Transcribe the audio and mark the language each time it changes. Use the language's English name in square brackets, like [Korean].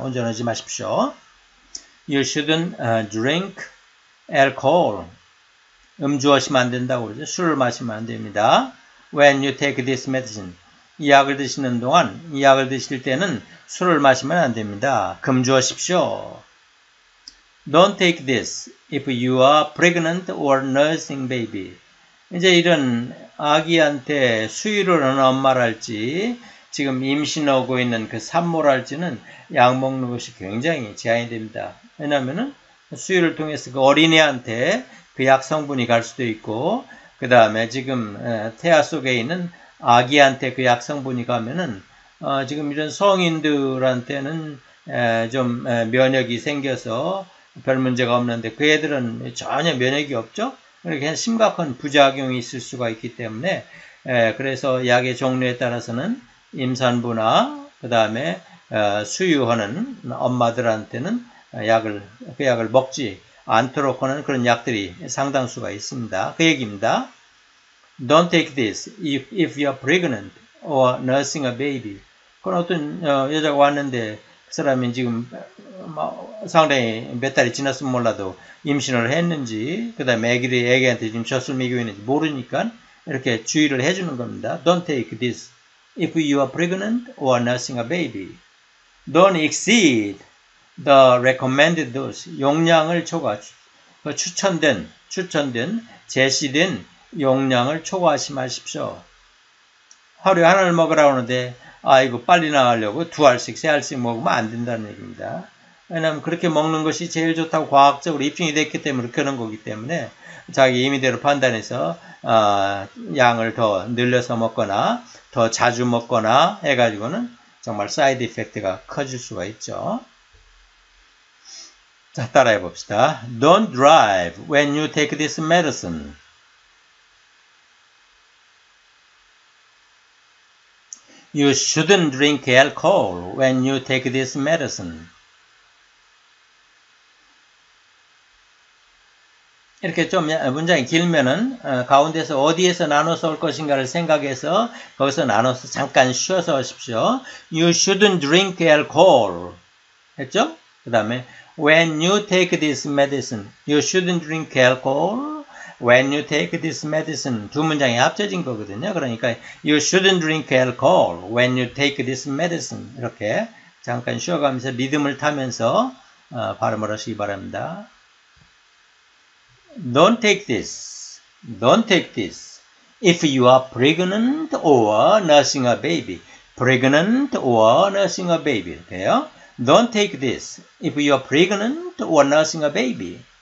[Korean] 운전하지 마십시오. [English] You shouldn't drink alcohol. [Korean] 음주하시면 안 된다고 그러죠. 술을 마시면 안 됩니다. [English] When you take this medicine. [Korean] 이 약을 드시는 동안, 이 약을 드실 때는 술을 마시면 안 됩니다. 금주하십시오. [English] Don't take this if you are pregnant or nursing baby. [Korean] 이제 이런 아기한테 수유하는 엄마랄지 지금 임신하고 있는 그 산모랄지는 약 먹는 것이 굉장히 제한이 됩니다. 왜냐하면은 수유를 통해서 그 어린애한테 그 약 성분이 갈 수도 있고 그 다음에 지금 태아 속에 있는 아기한테 그 약 성분이 가면은 지금 이런 성인들한테는 좀 면역이 생겨서 별 문제가 없는데 그 애들은 전혀 면역이 없죠. 이렇게 심각한 부작용이 있을 수가 있기 때문에 그래서 약의 종류에 따라서는 임산부나 그 다음에 수유하는 엄마들한테는 그 약을 먹지 않도록 하는 그런 약들이 상당수가 있습니다. 그 얘기입니다. [English] Don't take this if you are pregnant or nursing a baby. [Korean] 그런 어떤 여자가 왔는데 그 사람이 지금 상당히 몇 달이 지났으면 몰라도 임신을 했는지 그 다음에 애기한테 지금 젖을 먹이고 있는지 모르니까 이렇게 주의를 해주는 겁니다. [English] Don't take this if you are pregnant or nursing a baby. Don't exceed the recommended dose. [Korean] 용량을 초과, 추천된, 제시된 용량을 초과하지 마십시오. 하루에 하나를 먹으라고 하는데 아이고 빨리 나가려고 두 알씩 세 알씩 먹으면 안 된다는 얘기입니다. 왜냐하면 그렇게 먹는 것이 제일 좋다고 과학적으로 입증이 됐기 때문에 그런 거기 때문에 자기 임의대로 판단해서 양을 더 늘려서 먹거나 더 자주 먹거나 해가지고는 정말 사이드 이펙트가 커질 수가 있죠. 자, 따라해 봅시다. [English] Don't drive when you take this medicine. 'You shouldn't drink alcohol when you take this medicine.' [Korean] 이렇게 좀 문장이 길면은 가운데서 어디에서 나눠서 올 것인가를 생각해서 거기서 나눠서 잠깐 쉬어서 하십시오. [English] 'You shouldn't drink alcohol' [Korean] 했죠? 그 다음에 [English] 'When you take this medicine, you shouldn't drink alcohol.' When you take this medicine, [Korean] 두 문장이 합쳐진 거거든요. 그러니까 [English] you shouldn't drink alcohol when you take this medicine. [Korean] 이렇게 잠깐 쉬어가면서 리듬을 타면서 발음을 하시기 바랍니다. [English] Don't take this. Don't take this. If you are pregnant or nursing a baby. Pregnant or nursing a baby. [Korean] 이렇게요. [English] Don't take this. If you are pregnant or nursing a baby.